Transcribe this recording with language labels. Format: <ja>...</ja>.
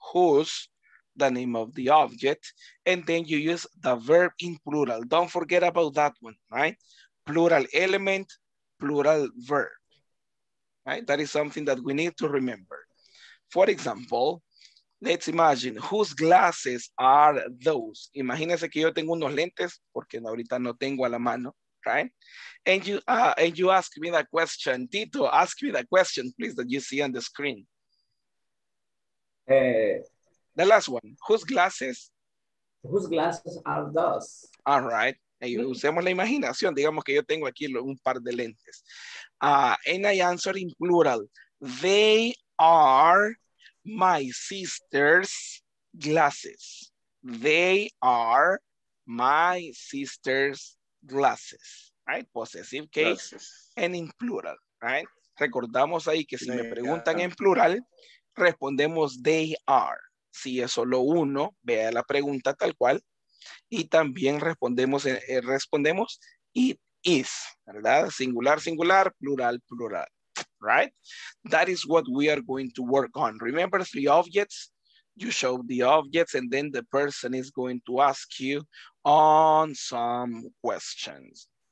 <en>Whose, the name of the object, and then you use the verb in plural. Don't forget about that one, right? Plural element, plural verb, right? That is something that we need to remember. For example, let's imagine, whose glasses are those?</en> <es>Imagínense que yo tengo unos lentes, porque ahorita no tengo a la mano, right?</es> <en>And you ask me that question. Tito, ask me that question, please, that you see on the screen. The last one, whose glasses are those? All right,</en> <es>y usemos la imaginación. Digamos que yo tengo aquí un par de lentes.</es> <en>And I answer in plural, they are my sister's glasses. They are my sister's glasses, right? Possessive case glasses. And in plural, right?</en> <es>Recordamos ahí que si me preguntan en plural, respondemos</es> <en>they are.</en> <es>Si es solo uno, vea la pregunta tal cual. Y también respondemos</es> <en>it is,</en> <es>¿verdad?</es> <en>Singular, singular, plural, plural. Right? That is what we are going to work on. Remember three objects, You show the objects and then the person is going to ask you on some questions.</en>